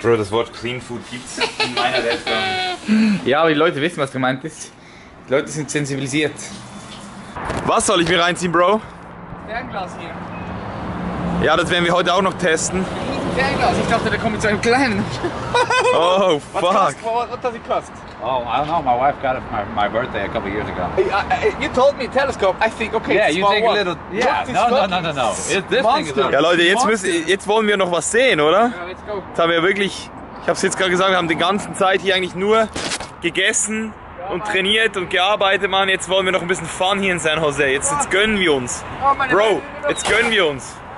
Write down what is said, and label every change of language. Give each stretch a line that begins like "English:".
German: Bro, das Wort Clean Food gibt's in meiner Welt. Ja, aber die Leute wissen, was gemeint ist. Die Leute sind sensibilisiert. Was soll ich mir reinziehen, Bro? Fernglas hier. Ja, das werden wir heute auch noch testen. Fernglas, ich dachte, der kommt mit so einem kleinen.
English: Oh, fuck. What does it cost? Oh, I don't know. My wife got it for my birthday a couple years ago. You told me telescope. I think, okay, yeah, you take a little. No. This thing is
German: ja, Leute, jetzt wollen wir noch was sehen, oder?
English: Ja, let's go.
German: Jetzt haben wir wirklich, ich habe es jetzt gerade gesagt, wir haben die ganze Zeit hier eigentlich nur gegessen und trainiert und gearbeitet, Mann. Jetzt wollen wir noch ein bisschen Fun hier in San Jose. Jetzt gönnen wir uns. Bro, jetzt gönnen wir uns.